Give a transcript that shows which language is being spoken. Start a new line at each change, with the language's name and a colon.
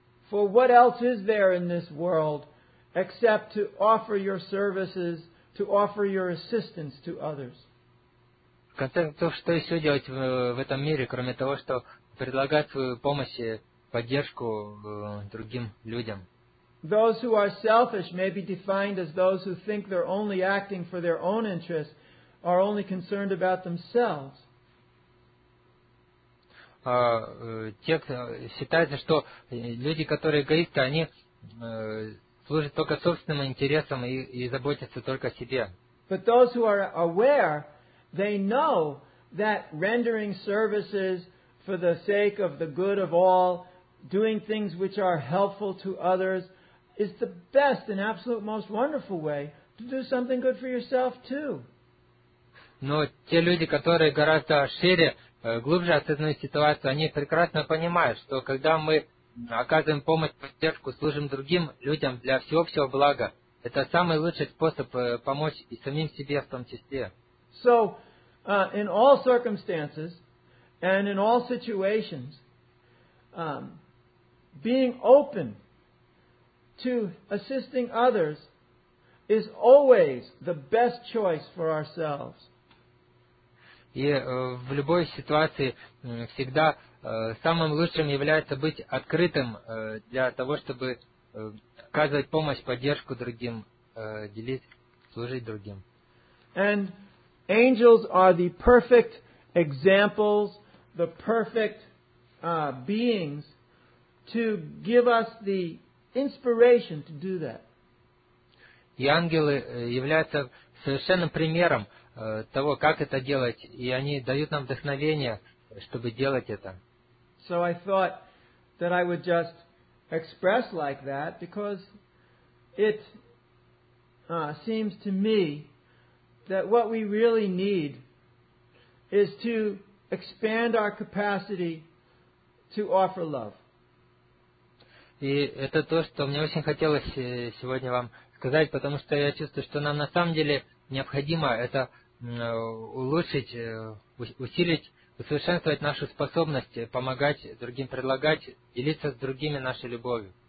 English: For what else is there in this world except to offer your services, to offer your assistance to others?
Russian: В конце концов, что еще делать в этом мире, кроме того, что предлагать свою помощь и поддержку другим людям?
English: Those who are selfish may be defined as those who think they're only acting for their own interests, are only concerned about themselves.
Russian: Те, кто считается, что люди, которые эгоисты, они служат только собственным интересам и заботятся только о себе.
English: But those who are aware, they know that rendering services for the sake of the good of all, doing things which are helpful to others, is the best and absolute most wonderful way to do something good for yourself too.
Russian: Но те люди, которые гораздо шире, глубже осознают ситуацию, они прекрасно понимают, что когда мы оказываем помощь, поддержку, служим другим людям для всеобщего блага, это самый лучший способ помочь и самим себе в том числе.
English: So, in all circumstances and in all situations, being open to assisting others is always the best choice for ourselves.
Russian: И в любой ситуации всегда самым лучшим является быть открытым для того, чтобы оказывать помощь, поддержку другим, делить, служить другим.
English: And angels are the perfect examples, the perfect beings to give us the inspiration to do that.
Russian: И ангелы являются совершенным примером того, как это делать, и они дают нам вдохновение, чтобы делать это.
English: So I thought that I would just express like that because it seems to me that what we really need is to expand our capacity to offer love.
Russian: И это то, что мне очень хотелось сегодня вам сказать, потому что я чувствую, что нам на самом деле необходимо это улучшить, усилить, усовершенствовать нашу способность помогать другим, предлагать, делиться с другими нашей любовью.